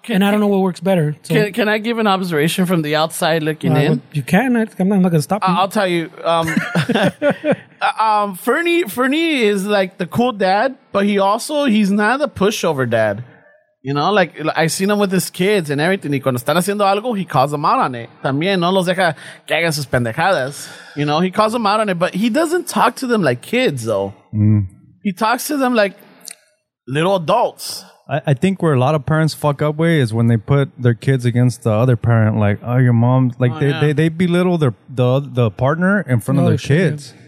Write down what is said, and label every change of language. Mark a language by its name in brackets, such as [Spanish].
[English] I don't know what works better. So. Can I give an observation from the outside looking in? You can. I'm not going to stop you. I'll tell you. Fernie is, like, the cool dad, but he's not the pushover dad. You know, like, I seen him with his kids and everything. [Spanish] Y cuando están haciendo algo, [English] he calls them out on it. [Spanish] También no los deja que hagan sus pendejadas. [English] You know, he calls them out on it, but he doesn't talk to them like kids, though. Mm. He talks to them like little adults. I think where a lot of parents fuck up way is when they put their kids against the other parent. Like, oh, your mom. Like, they belittle the partner in front of their kids.